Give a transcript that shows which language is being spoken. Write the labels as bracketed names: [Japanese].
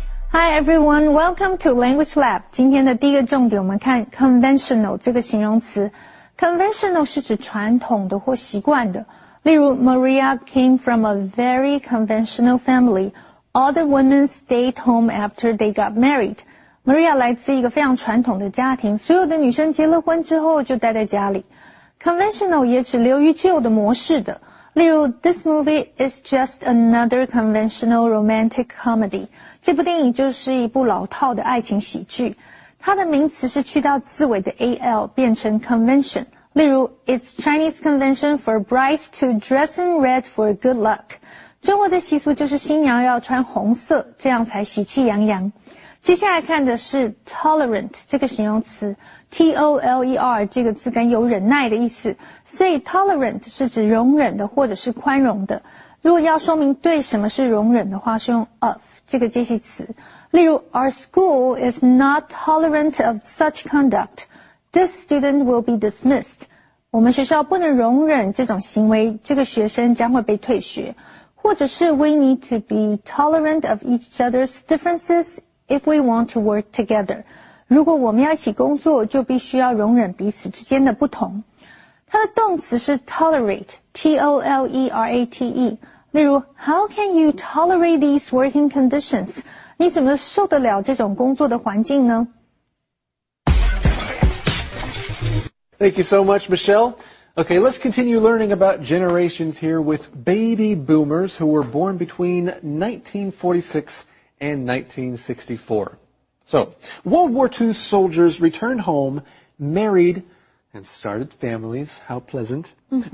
[English] Hi everyone, welcome to Language Lab. [Chinese] 今天的第一个重点我们看 conventional 这个形容词。 [English] Conventional [Chinese] 是指传统的或习惯的。例如 [English] Maria came from a very conventional family. All the women stayed home after they got married. [Chinese] Maria 来自一个非常传统的家庭，所有的女生结了婚之后就待在家里。 Conventional 也指流于旧的模式的。 [English] 例如 This movie is just another conventional romantic comedy. [Chinese] 这部电影就是一部老套的爱情喜剧。它的名词是去掉字尾的 al 变成 convention。 [English] 例如 It's Chinese convention for brides to dress in red for good luck. [Chinese] 中国的习俗就是新娘要穿红色，这样才喜气洋洋。接下来看的是 tolerant 这个形容词。T-O-L-E-R 这个字根有忍耐的意思，所以 tolerant 是指容忍的或者是宽容的。如果要说明对什么是容忍的话，是用 of 这个介系词。 [English] 例如 Our school is not tolerant of such conduct. This student will be dismissed. [Chinese] 我们学校不能容忍这种行为，这个学生将会被退学。 [English] 或者是 We need to be tolerant of each other's differences if we want to work together. [Chinese] 如果我们要一起工作，就必须要容忍彼此之间的不同。它的动词是 tolerate, T-O-L-E-R-A-T-E。 [English] 例如 ,How can you tolerate these working conditions? [Chinese] 你怎么受得了这种工作的环境呢？ [English] Thank you so much, Michelle. Okay, let's continue learning about generations here with baby boomers who were born between 1946 and 1964. So, World War II soldiers returned home, married, and started families. How pleasant. Mm-hmm.